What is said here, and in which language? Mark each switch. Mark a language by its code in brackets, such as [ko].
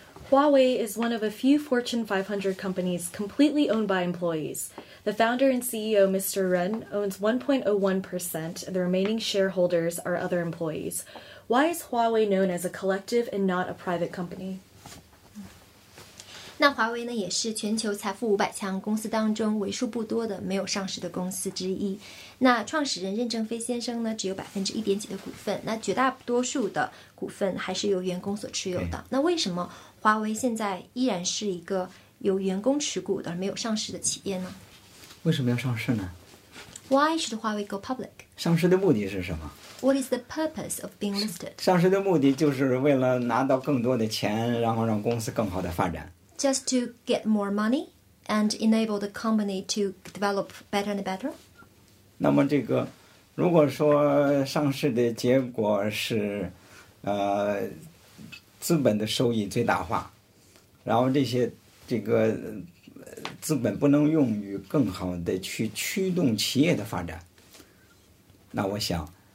[en] Huawei is one of a few Fortune 500 companies completely owned by employees. The founder and CEO, Mr. Ren, owns 1.01%, and the remaining shareholders are other employees. Why is Huawei known as a collective and not a private company? [zh] 那华为呢也是全球财富500强公司当中为数不多的没有上市的公司之一。那创始人任正非先生呢只有 1% 点几的股份，那绝大多数的股份还是由员工所持有的。那为什么华为现在依然是一个由员工持股的没有上市的企业呢？为什么要上市呢？ [en] Why should Huawei go public? [zh] 上市的目的是什么？ [en] What is the purpose of being listed? [zh] 上市的目的就是为了拿到更多的钱，然后让公司更好的发展。 [en] Just to get more money and enable the company to develop better and better? [zh] 那么这个，如果说上市的结果是，资本的收益最大化，然后这些这个资本不能用于更好的去驱动企业的发展，那我想。